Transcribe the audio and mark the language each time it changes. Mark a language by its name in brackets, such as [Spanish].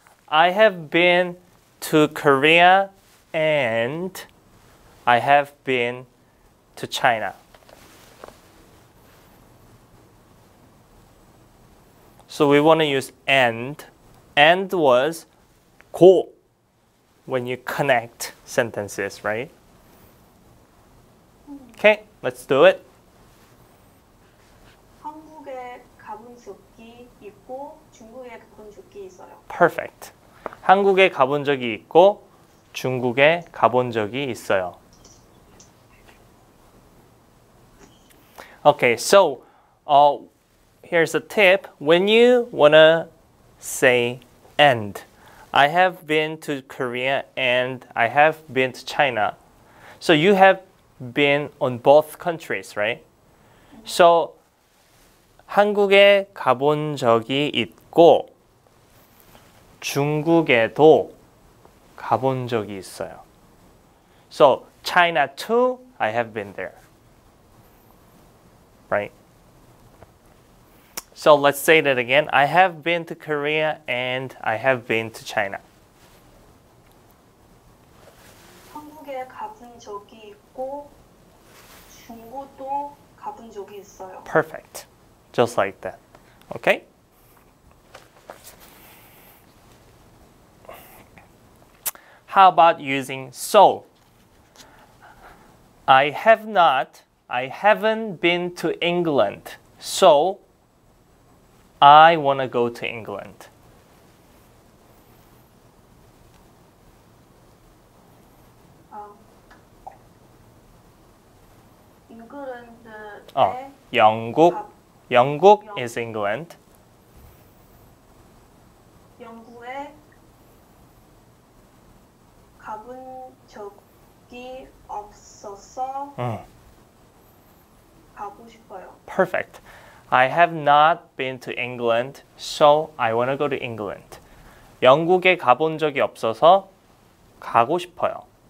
[English] I have been to Korea and I have been to China. So we want to use and. And was 고, when you connect sentences, right? Okay, let's do it. [Korean] 한국에 가본 적이 있고 중국에 가본 적이 있어요. [English] Perfect. [Korean] 한국에 가본 적이 있고 중국에 가본 적이 있어요. [English] Okay, so here's a tip. When you wanna say and, I have been to Korea and I have been to China. So you have been on both countries, right? [Korean] So 한국에 가본 적이 있고 중국에도 가본 적이 있어요. [English] So China too, I have been there. Right? So let's say that again. I have been to Korea and I have been to China. [Korean] 한국에 가본 적이 있고 중국도 가본 적이 있어요. [English] Perfect. Just like that. Okay? How about using so? I haven't been to England. So I want to go to England. [Korean] 잉글랜드. [English] 영국. 영국 is England. [Korean] 영국에 가본 적이 없어서 가고 싶어요. [English] Perfect. I have not been to England, so I want to go to England. [Korean] 영국에 가본 적이 없어서 가고 싶어요.